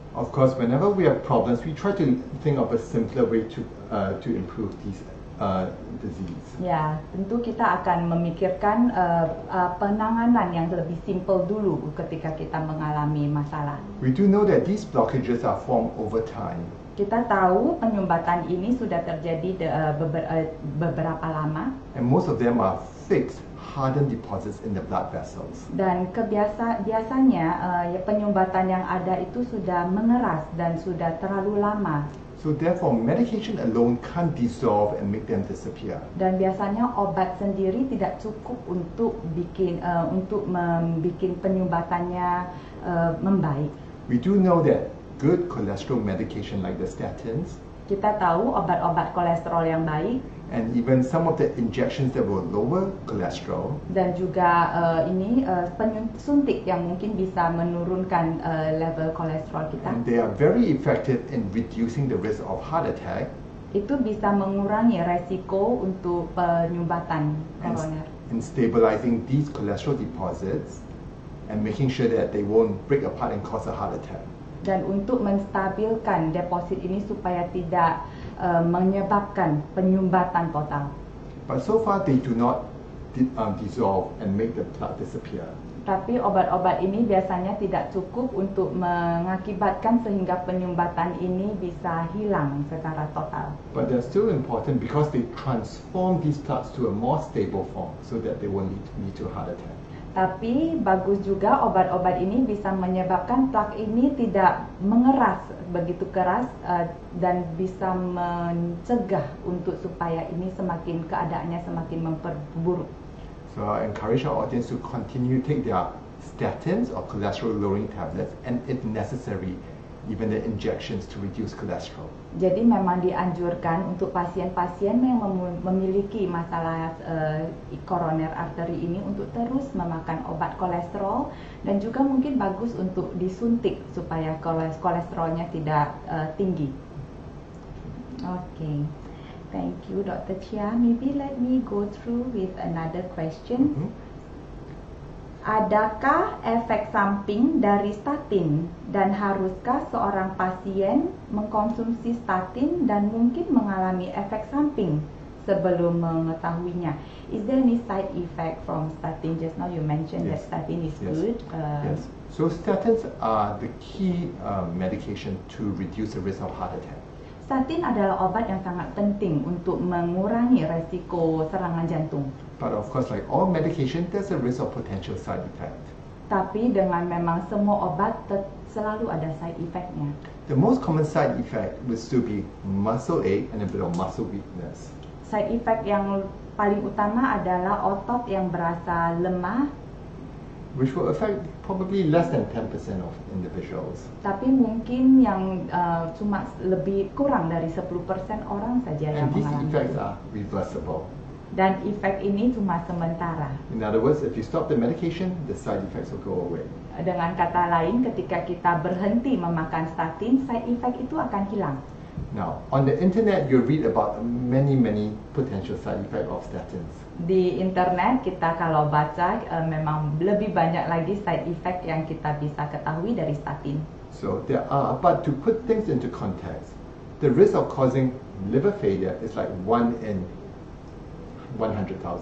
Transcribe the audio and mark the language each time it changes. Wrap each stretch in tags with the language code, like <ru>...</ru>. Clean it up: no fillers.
<en>Of course, whenever we have problems, we try to think of a simpler way to improve these. Disease.</en> <id>Ya, tentu kita akan memikirkan penanganan yang lebih simple dulu ketika kita mengalami masalah.</id> <en>We do know that these blockages are formed over time.</en> <id>Kita tahu penyumbatan ini sudah terjadi beberapa lama.</id> <en>And most of them are fixed, hardened deposits in the blood vessels.</en> <id>Dan biasanya penyumbatan yang ada itu sudah mengeras dan sudah terlalu lama.</id> <en>So therefore, medication alone can't dissolve and make them disappear.</en> <id>Dan biasanya obat sendiri tidak cukup untuk membikin penyumbatannya membaik.</id> <en>We do know that good cholesterol medication like the statins.</en> <id>Kita tahu obat-obat kolesterol yang baik.</id> <en>And even some of the injections that will lower cholesterol.</en> <id>Dan juga suntik yang mungkin bisa menurunkan level kolesterol kita.</id> <en>And they are very effective in reducing the risk of heart attack.</en> <id>Itu bisa mengurangi resiko untuk penyumbatan koroner.</id> <en>And stabilizing these cholesterol deposits. and making sure that they won't break apart and cause a heart attack.</en> <id>Dan untuk menstabilkan deposit ini supaya tidak menyebabkan penyumbatan total.</id> <en>But so far they do not dissolve and make the plaque disappear.</en> <id>Tapi obat-obat ini biasanya tidak cukup untuk mengakibatkan sehingga penyumbatan ini bisa hilang secara total.</id> <en>But they're still important because they transform these plaques to a more stable form so that they won't lead to heart attack.</en> <id>Tapi bagus juga obat-obat ini bisa menyebabkan plak ini tidak mengeras begitu keras dan bisa mencegah untuk supaya ini semakin keadaannya semakin memperburuk.</id> <en>So I encourage our audience to continue to take their statins or cholesterol lowering tablets and if necessary even the injections to reduce cholesterol.</en> <id>Jadi memang dianjurkan untuk pasien-pasien yang memiliki masalah koroner arteri ini untuk terus memakan obat kolesterol dan juga mungkin bagus untuk disuntik supaya kolesterolnya tidak tinggi.</id> <en>Okay. Thank you, Dr. Chia. Maybe let me go through with another question.</en> <id>Adakah efek samping dari statin dan haruskah seorang pasien mengkonsumsi statin dan mungkin mengalami efek samping sebelum mengetahuinya?</id> <en>Is there any side effect from statin? Just now you mentioned that statin is good. Yes. So statins are the key medication to reduce the risk of heart attack.</en> <id>Statin adalah obat yang sangat penting untuk mengurangi resiko serangan jantung.</id> <en>But of course, like all medication, there's a risk of potential side effect.</en> <id>Tapi dengan memang semua obat selalu ada</id> <en>side effect-</en> <id>nya.</id> <en>The most common side effect would still be muscle ache and a bit of muscle weakness. Side effect</en> <id>yang paling utama adalah otot yang berasa lemah.</id> <en>Which will affect probably less than 10% of individuals.</en> <id>Tapi mungkin yang cuma lebih kurang dari 10% orang saja yang mengalami.</id> <en>And these effects are reversible.</en> <id>Dan efek ini cuma sementara.</id> <en>In other words, if you stop the medication, the side effects will go away.</en> <id>Dengan kata lain, ketika kita berhenti memakan statin,</id> <en>side effect</en> <id>itu akan hilang.</id> <en>Now, on the internet, you read about many, many potential side effects of statins.</en> <id>Di internet, kita kalau baca, memang lebih banyak lagi</id> <en>side effect</en> <id>yang kita bisa ketahui dari statin.</id> <en>So, there are, but to put things into context, the risk of causing liver failure is like 1 in 100,000.</en>